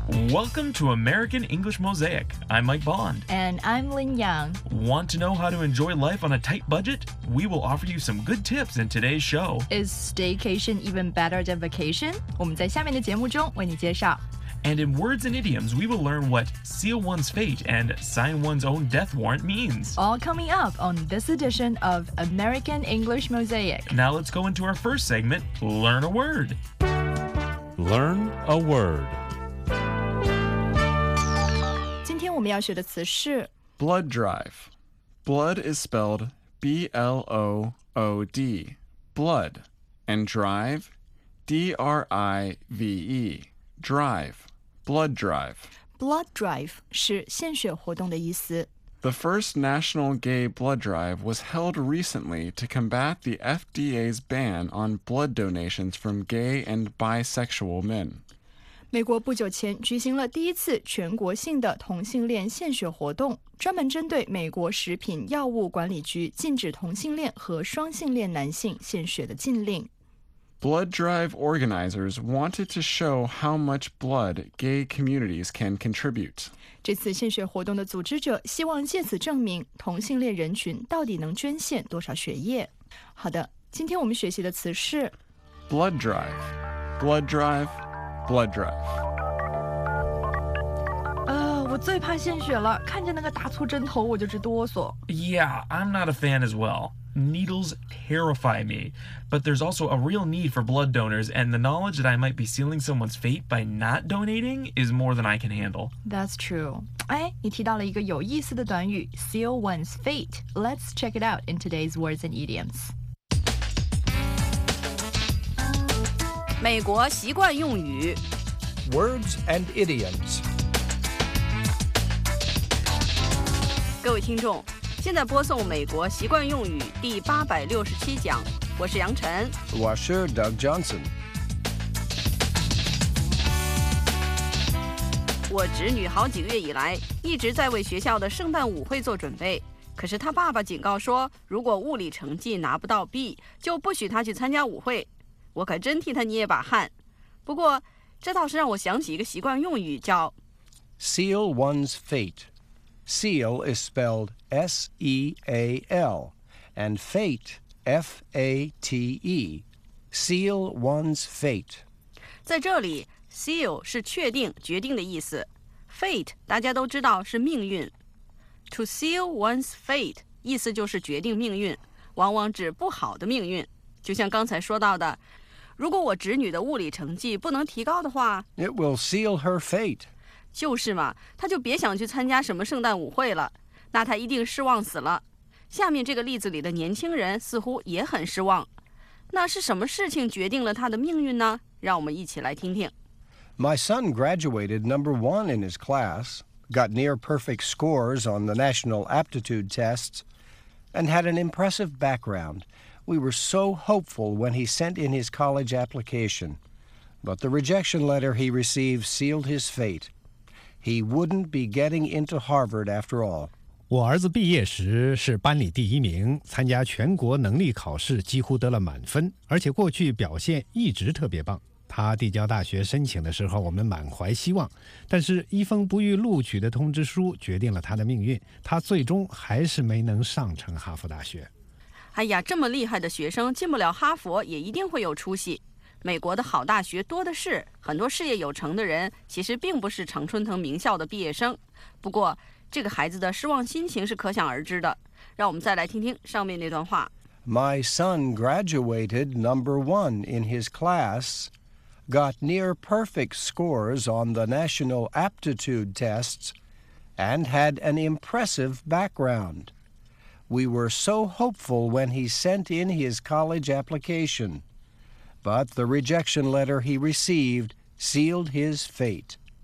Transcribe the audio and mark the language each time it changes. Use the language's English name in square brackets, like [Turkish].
[English] Welcome to American English Mosaic. I'm Mike Bond. And I'm Lin Yang. Want to know how to enjoy life on a tight budget? We will offer you some good tips in today's show. Is staycation even better than vacation? [Chinese] 我们在下面的节目中为你介绍。 [English] And in words and idioms, we will learn what seal one's fate and sign one's own death warrant means. All coming up on this edition of American English Mosaic. Now let's go into our first segment, Learn a Word. Learn a Word. [Chinese] 我们要学的词是 [English] blood drive. Blood is spelled B-L-O-O-D, blood, and drive, D-R-I-V-E, drive, blood drive. [Chinese] Blood drive 是献血活动的意思。 [English] The first national gay blood drive was held recently to combat the FDA's ban on blood donations from gay and bisexual men. [Chinese] 美国不久前举行了第一次全国性的同性恋献血活动，专门针对美国食品药物管理局禁止同性恋和双性恋男性献血的禁令。 [English] Blood drive organizers wanted to show how much blood gay communities can contribute. [Chinese] 这次献血活动的组织者希望借此证明同性恋人群到底能捐献多少血液。好的，今天我们学习的词是 [English] blood drive, blood drive. Blood drive. [Chinese] 我最怕献血了，看见那个大粗针头我就直哆嗦。 [English] Yeah, I'm not a fan as well. Needles terrify me. But there's also a real need for blood donors, and the knowledge that I might be sealing someone's fate by not donating is more than I can handle. That's true. [Chinese] 哎，你提到了一个有意思的短语 seal one's fate. [English] Let's check it out in today's words and idioms. [Chinese] 美国习惯用语 [English] Words and idioms [Chinese] 各位听众，现在播送美国习惯用语第867讲，我是杨晨，我是 Doug Johnson。我侄女好几个月以来一直在为学校的圣诞舞会做准备，可是她爸爸警告说，如果物理成绩拿不到 B 就不许她去参加舞会，我可真替他捏把汗。不过这倒是让我想起一个习惯用语，叫 [English] seal one's fate. Seal is spelled S-E-A-L and fate F-A-T-E. Seal one's fate. [Chinese] 在这里 seal 是确定决定的意思， fate 大家都知道是命运。 To seal one's fate 意思就是决定命运，往往指不好的命运，就像刚才说到的，如果我侄女的物理成绩不能提高的话， [English] It will seal her fate. [Chinese] 就是嘛，她就别想去参加什么圣诞舞会了，那她一定失望死了。下面这个例子里的年轻人似乎也很失望，那是什么事情决定了她的命运呢？让我们一起来听听。 [English] My son graduated number one in his class, got near perfect scores on the national aptitude tests, and had an impressive backgroundWe were so hopeful when he sent in his college application. But the rejection letter he received sealed his fate. He wouldn't be getting into Harvard after all. [Chinese] 我儿子毕业时是班里第一名，参加全国能力考试几乎得了满分，而且过去表现一直特别棒。他递交大学申请的时候，我们满怀希望，但是一封不予录取的通知书决定了他的命运，他最终还是没能上成哈佛大学。哎呀，这么厉害的学生进不了哈佛也一定会有出息，美国的好大学多的是，很多事业有成的人其实并不是常春藤名校的毕业生。不过这个孩子的失望心情是可想而知的，让我们再来听听上面那段话。 [English] My son graduated number one in his class, got near perfect scores on the national aptitude tests, and had an impressive backgroundWe were so hopeful when he sent in his college application, but the rejection letter he received sealed his fate.